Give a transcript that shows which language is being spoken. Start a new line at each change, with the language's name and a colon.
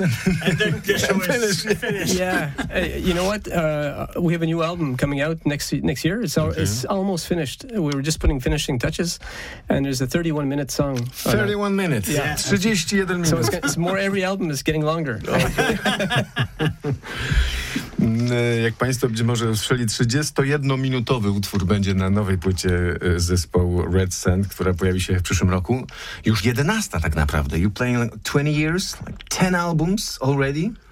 English: and then finish. Yeah. You know what? We have a new album coming out next year. It's almost finished. We were just putting finishing touches, and there's a 31-minute song. 31 minutes. Yeah. 31 minutes. So it's more, every album is getting longer.
Polish: Jak państwo być może usłyszeli, 31-minutowy utwór będzie na nowej płycie zespołu Red Sand, która pojawi się w przyszłym roku. Już 11 tak naprawdę.
English: You playing like 20 years, like 10 albums already.